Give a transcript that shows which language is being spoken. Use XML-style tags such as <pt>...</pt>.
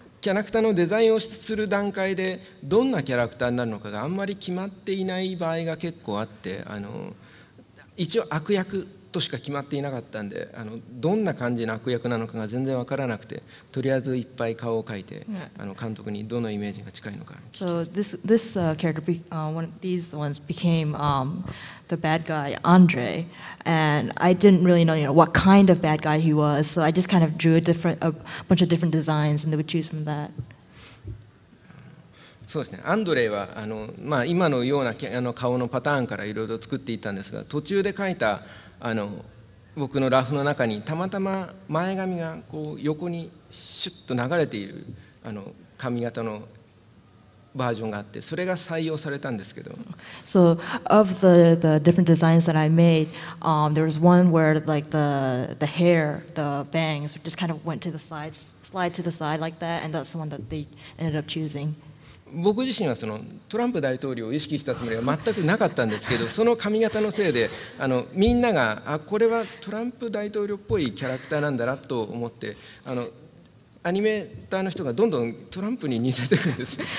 <ja>キャラクターのデザインをする段階でどんなキャラクターになるのかがあんまり決まっていない場合が結構あって、あの一応悪役としか決まっていなかったんで、あのどんな感じの悪役なのかが全然わからなくて、とりあえずいっぱい顔を描いて、あの監督にどのイメージが近いのか。</ja> <en>So this character, one of these ones became the bad guy Andre, and I didn't really know, you know, what kind of bad guy he was, so I just kind of drew a bunch of different designs, and they would choose from that.</en> <ja>そうですね。アンドレイはあの、まあ、今のようなあの顔のパターンからいろいろ作っていたんですが、途中で描いたあの僕のラフの中にたまたま前髪がこう横にシュッと流れているあの髪型のバージョンがあって、それが採用されたんですけど。</ja> <en>So of the different designs that I made, there was one where like the hair, the bangs just kind of went to the side, slide to the side like that, and that's the one that they ended up choosing.</en> <ja>僕自身はそのトランプ大統領を意識したつもりは全くなかったんですけど、その髪型のせいであのみんながあこれはトランプ大統領っぽいキャラクターなんだなと思って、あのアニメーターの人がどんどんトランプに似せてくるんです。</ja>